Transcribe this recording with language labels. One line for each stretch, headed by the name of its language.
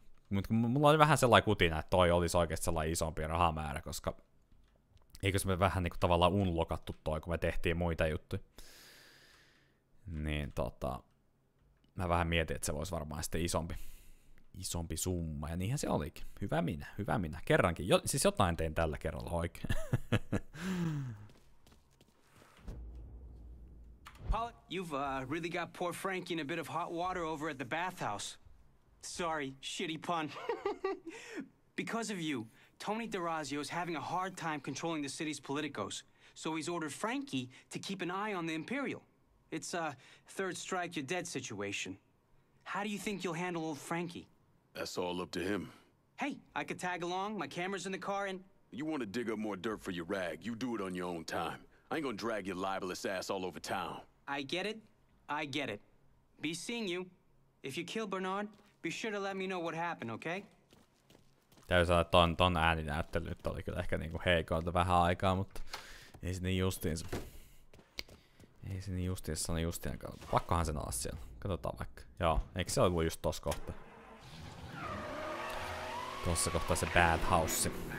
Finnish: Mutta mulla oli vähän sellainen kutina, että toi olisi oikeasti sellainen isompi rahamäärä, koska eikös me vähän niinku tavallaan unlockattu toi, kun me tehtiin muita juttuja. Niin tota, mä vähän mietin, että se voisi varmaan sitten isompi summa, ja niinhän se olikin. Hyvä minä, hyvä minä. Kerrankin. Siis jotain tein tällä kerralla oikein.
English: Pollock, you've really got poor Frankie in a bit of hot water over at the bathhouse. Sorry, shitty pun. Because of you, Tony D'Orazio is having a hard time controlling the city's politicos. So he's ordered Frankie to keep an eye on the Imperial. It's a third strike, you're dead situation. How do you think you'll handle old Frankie? That's all up to him. Hey, I could tag along, my camera's in the car and... You want to dig up more dirt for your rag, you do it on your own time. I ain't gonna drag your libelous ass all over town. I get it. I get it. Be seeing you. If you kill Bernard, be sure to let me know what happened, okay?
Finnish: Täytyy sanoa, että ton ääninäyttely nyt oli kyllä ehkä niinku heikolta vähän aikaa, mutta ei sinne justiinsa. Ei sinne justiinsa sano justiinan kautta. Pakkohan sen olla siellä. Katsotaan vaikka. Joo, eikö se ollut just tossa kohta? Tossa kohtaa se
English: bad house.